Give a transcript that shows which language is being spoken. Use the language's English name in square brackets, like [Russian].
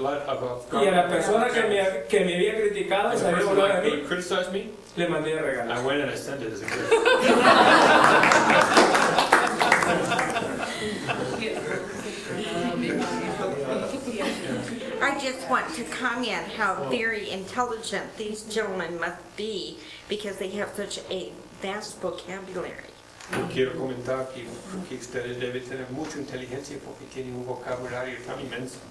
[Spanish] y a la persona que me había criticado, se había volado a mí, [English] criticized me, [Spanish] le mandé el regalo. [English] I went and I sent it as a gift. I just want to comment how very intelligent these gentlemen must be because they have such a vast vocabulary. [Spanish] Yo quiero comentar que ustedes deben tener mucha inteligencia porque tienen un vocabulario tan inmenso.